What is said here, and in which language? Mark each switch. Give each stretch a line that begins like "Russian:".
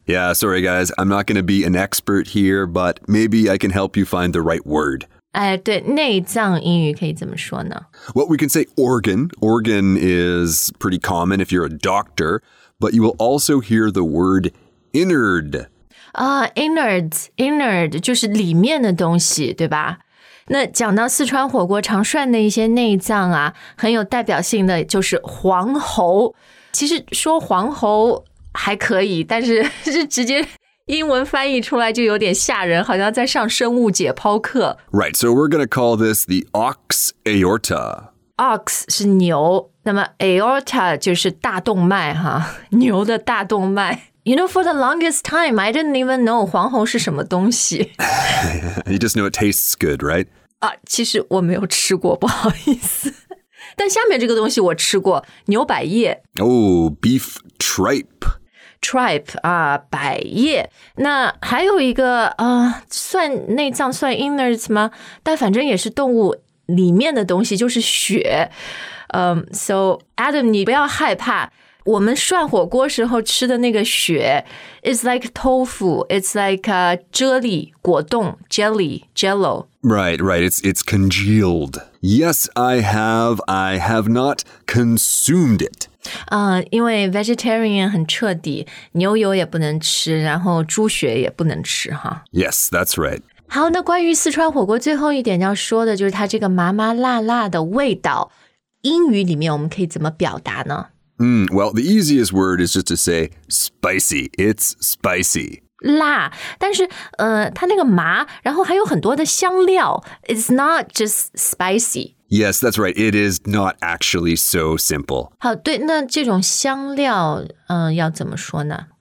English: Yeah, sorry guys, I'm not going to be an expert here, but maybe I can help you find the right word.
Chinese: 对内脏英语可以怎么说呢
English: Well, we can say organ. Organ is pretty common if you're a doctor. But you will also hear the word innard.
Chinese: Innard 就是里面的东西，对吧？那讲到四川火锅常涮的一些内脏啊，很有代表性的就是黄喉。其实说黄喉还可以，但是是直接英文翻译出来就有点吓人，好像在上生物解剖课。
English: Right, so we're going to call this the ox aorta.
Chinese: Ox 是牛，那么 aorta 就是大动脉哈，牛的大动脉。
English: You know, for the longest time, I didn't even know
Chinese: 黄喉是什么东西。
English: You just know it tastes good, right?
Chinese: 啊，其实我没有吃过，不好意思。但下面这个东西我吃过，牛百叶。
English: Oh, beef tripe.
Chinese: Tripe 啊，百叶。那还有一个算内脏算 innards 吗？但反正也是动物。里面的东西就是血、So Adam 你不要害怕我们涮火锅时候吃的那个血
English: It's like tofu It's like a jelly
Chinese: 果冻
English: Jelly Jello Right it's congealed Yes I have not consumed it、
Chinese: 因为 vegetarian 很彻底牛油也不能吃然后猪血也不能吃哈。
English: Yes that's right
Chinese: 好，那关于四川火锅最后一点要说的就是它这个麻麻辣辣的味道，英语里面我们可以怎么表达呢？
English: Well, the easiest word is just to say spicy. It's spicy.
Chinese: 辣，但是它那个麻，然后还有很多的香料。
English: It's not just spicy. Yes, that's right. It is not actually so simple.
Chinese: 好，对，那这种香料要怎么说呢